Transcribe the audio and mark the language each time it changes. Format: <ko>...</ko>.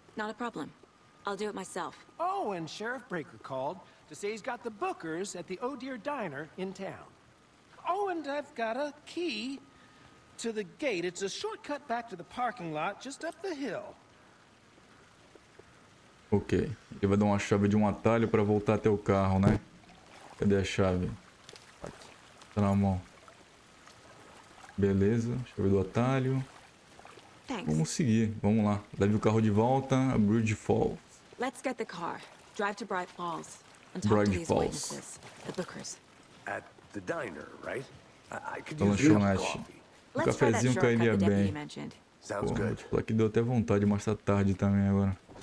<en>Not a problem. I'll do it myself. Oh, and Sheriff Breaker called to say he's got the bookers at the O'Dear Diner in town. Oh, and I've got a key to the gate. It's a shortcut back to the parking lot just up the hill.</en> <pt>Ok, ele vai dar uma chave de um atalho para voltar até o carro, né? Cadê a chave? Tá na mão. Beleza, chave do atalho.</pt> <en>Thanks.</en> <pt>Vamos seguir, vamos lá. Leve o carro de volta, a Bridge Falls.</pt> <en>Let's get the car. Drive to Bright Falls. Bridge Falls. The bookers. At the diner, right? I could use real coffee.</en> <pt>O cafezinho cairia bem.</pt> <en>Sounds good.</en> <pt>Pô, aqui deu até vontade, mas tá tarde também agora.</pt>